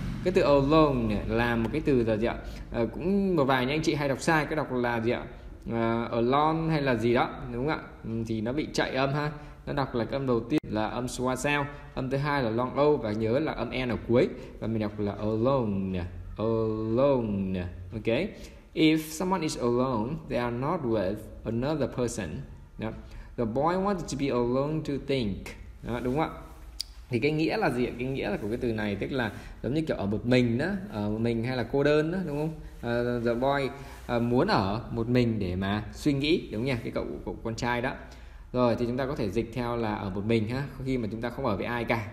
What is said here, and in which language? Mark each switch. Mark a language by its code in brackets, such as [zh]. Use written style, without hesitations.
[vi] Cái từ alone là một cái từ là gì ạ? Cũng một vài những anh chị hay đọc sai, cái đọc là gì ạ? Alone hay là gì đó, đúng không ạ? Thì nó bị chạy âm ha. Nó đọc là cái âm đầu tiên là âm schwa sao, âm thứ hai là long o và nhớ là âm n ở cuối. Và mình đọc là alone, alone. Ok. [en] If someone is alone, they are not with another person. Yeah. The boy wanted to be alone to think. [vi] Đó, đúng không ạ? Thì cái nghĩa là gì? Cái nghĩa là của cái từ này tức là giống như kiểu ở một mình đó, ở một mình hay là cô đơn đó, đúng không? [en] The boy [vi] muốn ở một mình để mà suy nghĩ, đúng không nhỉ? Cái cậu con trai đó. Rồi thì chúng ta có thể dịch theo là ở một mình ha, khi mà chúng ta không ở với ai cả.